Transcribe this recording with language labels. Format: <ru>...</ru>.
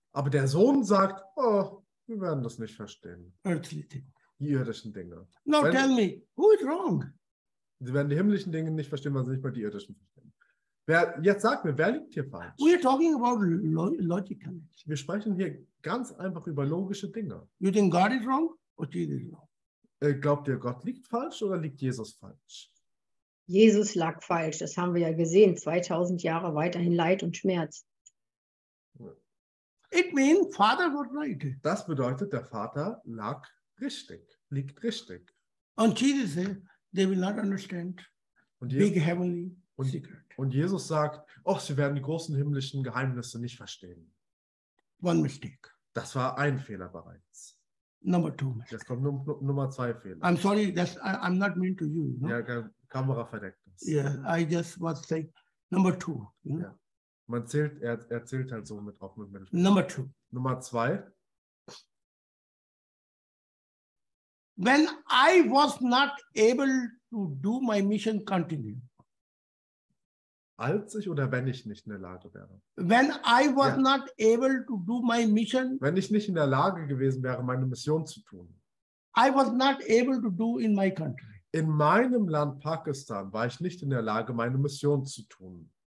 <de>Aber der Sohn sagt, oh, wir werden das nicht verstehen.</de> <en>Earthly thing.</en> <de>Die irdischen Dinge.</de> <en>Now tell me, who is wrong?</en> <de>Sie werden die himmlischen Dinge nicht verstehen, weil sie nicht mal die irdischen verstehen. Jetzt sag mir, wer liegt hier falsch?</de> <en>We are talking about logical.</en> <de>Wir sprechen hier ganz einfach über logische Dinge.</de> <en>You think God is wrong or Jesus is wrong?</en> <de>Glaubt ihr, Gott liegt falsch oder liegt Jesus falsch? Jesus lag falsch, das haben wir ja gesehen. 2000 Jahre weiterhin Leid und Schmerz.</de> <en>It means Father was right.</en> <de>Das bedeutet, der Vater lag richtig, liegt richtig.</de> <en>And Jesus said, they will not understand big heavenly secret.</en> <de>Und Jesus sagt, oh, sie werden die großen himmlischen Geheimnisse nicht verstehen.</de> <en>One mistake.</en> <de>Das war ein Fehler bereits.</de> <en>Number two.</en> <de>Jetzt kommt Nummer zwei Fehler.</de> <en>I'm sorry, I'm not mean to you. No?</en> <de>Ja, Kamera verdeckt ist.</de> <en>Yeah, I just was saying number two.</en> <de>Ja. Man zählt, er zählt halt so mit auch mit Menschen.</de> <en>Number two.</en> <de>Nummer zwei.</de> <en>When I was not able to do my mission continue.</en> <de>Als ich oder wenn ich nicht in der Lage wäre?</de> <en>When I was not able to do my mission.</en> <de>Wenn ich nicht in der Lage gewesen wäre, meine Mission zu tun.</de> <en>I was not able to do in my country.</en> <de>In meinem Land Pakistan war ich nicht in der Lage, meine Mission zu tun.</de>